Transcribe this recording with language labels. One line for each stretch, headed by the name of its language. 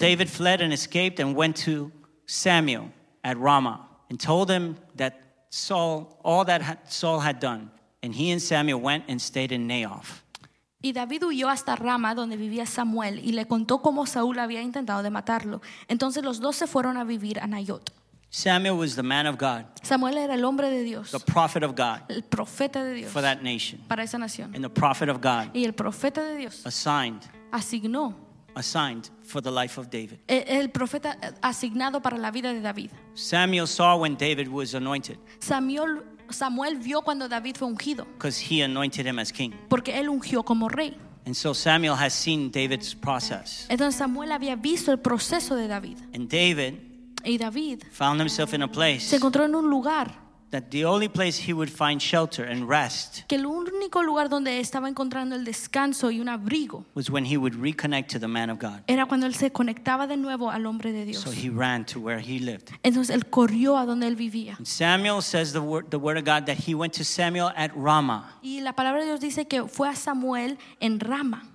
English: David fled and escaped and went to Samuel at Ramah and told him that Saul had done. And he and Samuel went and stayed in Naoth.
Spanish: Y David huyó hasta Rama, donde vivía Samuel, y le contó cómo Saúl había intentado de matarlo. Entonces los dos se fueron a vivir a Naoth.
English: Samuel was the man of God.
Spanish: Samuel era el hombre de Dios.
English: The prophet of God.
Spanish: El profeta de Dios.
English: For that nation.
Spanish: Para esa nación.
English: And the prophet of God.
Spanish: Y el profeta de Dios.
English: Assigned.
Spanish: Asignó.
English: Assigned for the life of David.
Spanish: El profeta asignado para la vida de David.
English: Samuel saw when David was anointed.
Spanish: Samuel vio cuando David fue ungido.
English: Because he anointed him as king.
Spanish: Porque él ungió como rey.
English: And so Samuel has seen David's process.
Spanish: Entonces Samuel había visto el proceso de David.
English: And David.
Spanish: Y David
English: found himself in a place.
Spanish: Se encontró en un lugar.
English: That the only place he would find shelter and rest.
Spanish: Que el único lugar donde estaba encontrando el descanso y un abrigo.
English: Was when he would reconnect to the man of God.
Spanish: Era cuando él se conectaba de nuevo al hombre de Dios.
English: So he ran to where he lived.
Spanish: Entonces él corrió a donde él vivía.
English: And Samuel says the word of God that he went to Samuel at Ramah.
Spanish: Y la palabra de Dios dice que fue a Samuel en Rama.